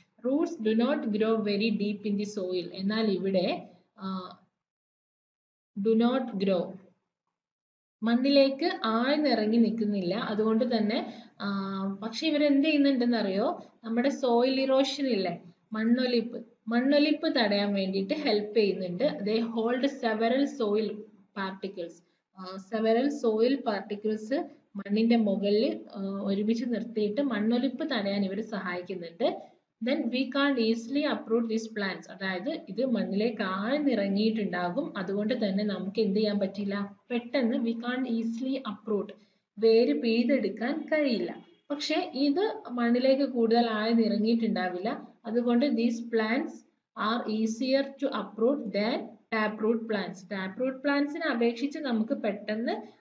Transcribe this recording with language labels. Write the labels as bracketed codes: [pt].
[en] roots do not grow very deep in the soil, [ml] എന്നാൽ ഇവിടെ do not grow, മണ്ണിലേക്ക് ആഴ്ന്നിറങ്ങി നിൽക്കുന്നില്ല, അതുകൊണ്ട് തന്നെ പക്ഷെ ഇവരെന്ത് ചെയ്യുന്നുണ്ടെന്ന് അറിയോ, നമ്മുടെ സോയിൽ ഇറോഷൻ ഇല്ലേ, മണ്ണൊലിപ്പ്, മണ്ണൊലിപ്പ് തടയാൻ വേണ്ടിയിട്ട് ഹെൽപ്പ് ചെയ്യുന്നുണ്ട്. [en] they hold several soil particles, [ml] several soil particles മണ്ണിന്റെ മുകളിൽ ഒരുമിച്ച് നിർത്തിയിട്ട് മണ്ണൊലിപ്പ് തടയാൻ ഇവർ സഹായിക്കുന്നുണ്ട്. [en] then we can't easily uproot these plants. [ml] അതായത് ഇത് മണ്ണിലേക്ക് ആഴ്ന്നിറങ്ങിയിട്ടുണ്ടാകും അതുകൊണ്ട് തന്നെ നമുക്ക് എന്ത് ചെയ്യാൻ പറ്റില്ല പെട്ടെന്ന് [en] we can easily uproot [ml] വേര് പെയ്തെടുക്കാൻ കഴിയില്ല പക്ഷെ ഇത് മണ്ണിലേക്ക് കൂടുതൽ ആഴ്ന്നിറങ്ങിയിട്ടുണ്ടാവില്ല അതുകൊണ്ട് [en] these plants are easier to uproot than tap root plants [ml] tap root പ്ലാന്റ്സിനെ അപേക്ഷിച്ച് നമുക്ക് പെട്ടെന്ന്